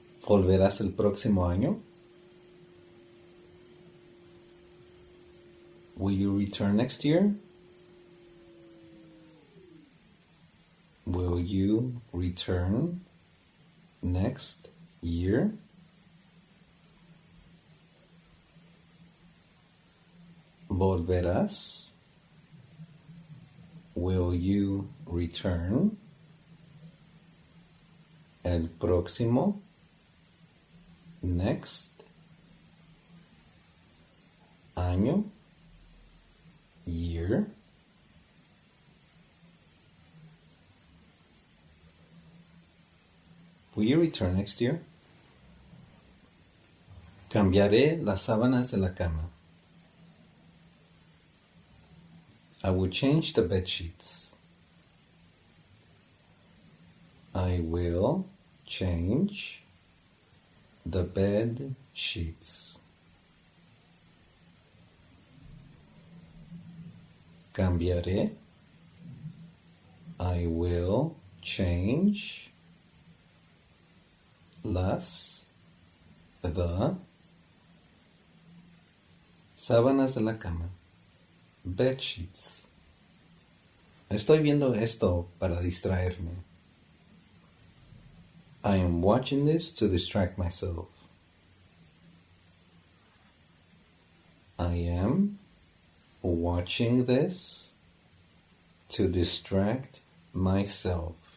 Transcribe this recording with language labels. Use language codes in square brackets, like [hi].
[es] ¿Volverás el próximo año? [en] Will you return next year? Will you return next year? [es] Volverás. [en] Will you return [es] el próximo [en] next [es] año? [en] Year. Will you return next year? [es] Cambiaré las sábanas de la cama. [en] I will change the bed sheets. I will change the bed sheets. [es] Cambiaré. [en] I will change [es] las [en] the [es] sábanas de la cama. [en] Bed sheets. [es] Estoy viendo esto para distraerme. [en] I am watching this to distract myself. I am watching this to distract myself.